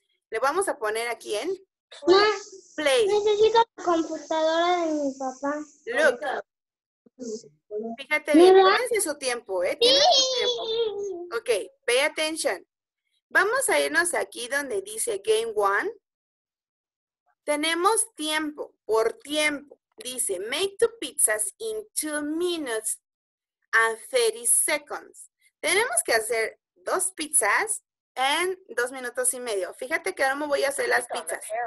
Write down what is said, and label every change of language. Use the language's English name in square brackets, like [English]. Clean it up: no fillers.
[Spanish] Le vamos a poner aquí en Play. Necesito la computadora de mi papá. [English] Look. [Spanish] Fíjate bien, tómense su tiempo, ¿eh? Tienes su tiempo. [English] Ok, pay attention. [Spanish] Vamos a irnos aquí donde dice Game One. Tenemos tiempo, por tiempo. Dice, [English] make two pizzas in 2 minutes and 30 seconds. [Spanish] Tenemos que hacer 2 pizzas en 2 minutos y medio. Fíjate que ahora me voy a hacer las pizzas.